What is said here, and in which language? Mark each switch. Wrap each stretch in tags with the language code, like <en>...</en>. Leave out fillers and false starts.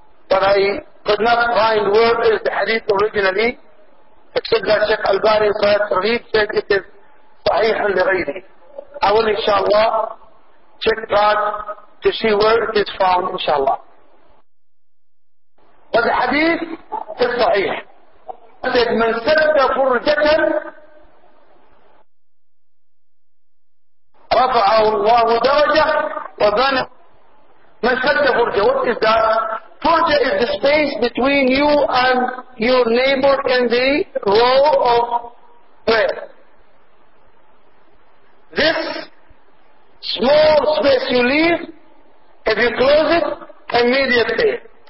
<en>But I could not find where is the hadith originally. Except that Sheikh Al-Bari said it is sahih al-ghayri. I will inshallah check that to see where it is found inshallah. But the hadith is sahih. It said,</en> <ar>من سد فرجة رفعه الله درجة وبنى. من سد فرجة,</ar> <en>what is that? Furja is the space between you and your neighbor in the row of bread. This small space you leave, if you close it, immediately</en>